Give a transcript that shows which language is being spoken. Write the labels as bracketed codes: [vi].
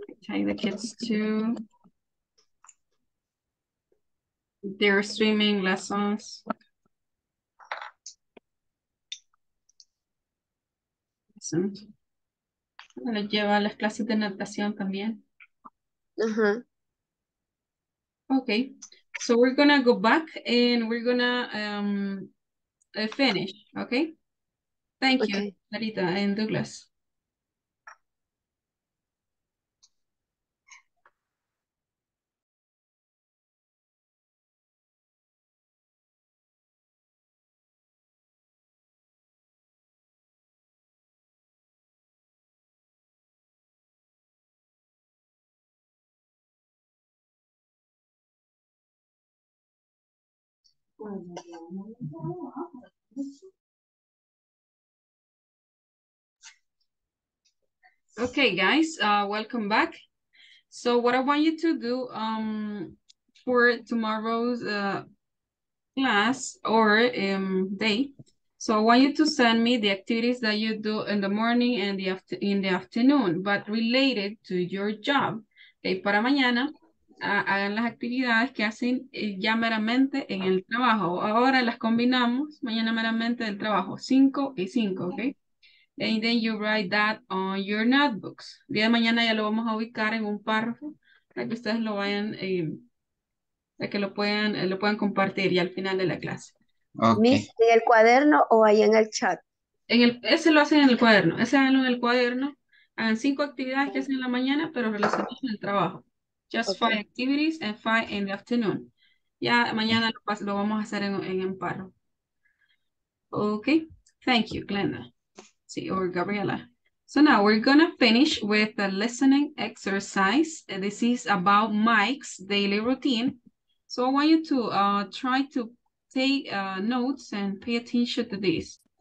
[en] Take the kids to their swimming lessons. Listen. [es] Les lleva a las clases de natación también. Uh-huh. [en] Okay. So we're gonna go back and we're gonna finish. Okay. Thank you, Marita and Douglas. Okay, guys, welcome back. So what I want you to do for tomorrow's class or day, so I want you to send me the activities that you do in the morning and in the afternoon, but related to your job. [es] Okay, para mañana hagan las actividades que hacen ya meramente en el trabajo. Ahora las combinamos mañana meramente del trabajo. 5 y 5, ¿ok? [en] And then you write that on your notebooks. [es] El día de mañana ya lo vamos a ubicar en un párrafo para que ustedes lo vayan para que lo puedan compartir ya al final de la clase. [en] Okay. [es] Miss, ¿en el cuaderno o ahí en el chat? En el, ese lo hacen en el cuaderno, ese háganlo en el cuaderno. Hagan 5 actividades que hacen en la mañana, pero relacionadas con el trabajo. [en] Just okay. 5 activities and 5 in the afternoon. [es] Ya mañana lo vamos a hacer en un paro. [en] Ok, thank you, Glenda. [es] Sí, o [en] Gabriela. So now we're going to finish with the listening exercise. This is about Mike's daily routine. So I want you to try to take notes and pay attention to this.